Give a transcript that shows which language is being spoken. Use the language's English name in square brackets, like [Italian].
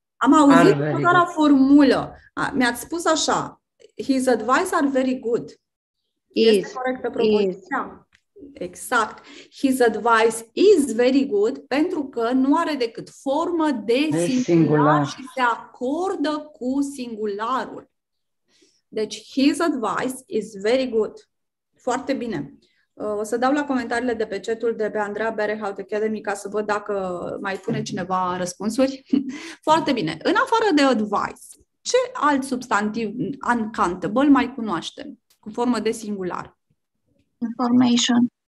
[Romanian] Am auzit doar la formulă. Mi-ați spus așa. [English] His advice are very good. [Romanian] Este corectă propoziția. Exact. [English] His advice is very good [Romanian] pentru că nu are decât formă de singular și se acordă cu singularul. Deci, [English] his advice is very good. [Romanian] Foarte bine. O să dau la comentariile de pe chat-ul de pe Andrea Berehout Academy ca să văd dacă mai pune cineva răspunsuri. Foarte bine. În afară de advice, ce alt substantiv uncountable mai cunoaștem cu formă de singular? [English] Information.